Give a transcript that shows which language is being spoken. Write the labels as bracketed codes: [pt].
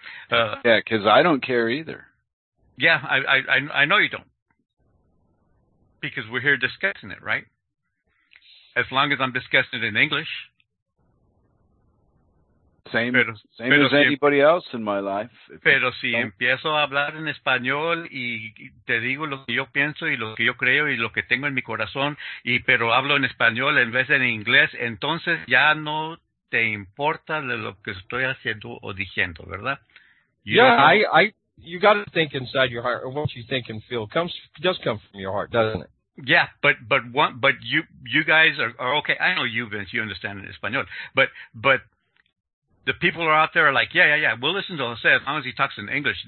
[en] Yeah, because I don't care either. Yeah, I know you don't. Because we're here discussing it, right? As long as I'm discussing it in English. Same as anybody else in my life. [es] Pero si empiezo a hablar en español y te digo lo que yo pienso y lo que yo creo y lo que tengo en mi corazón, y pero hablo en español en vez de en inglés, entonces ya no te importa de lo que estoy haciendo o diciendo, ¿verdad? [en] You got to think inside your heart. What you think and feel does come from your heart, doesn't it? Yeah, but you guys are okay. I know you, Vince. You understand in español, but. The people are out there are like, yeah, we'll listen to Jose as long as he talks in English.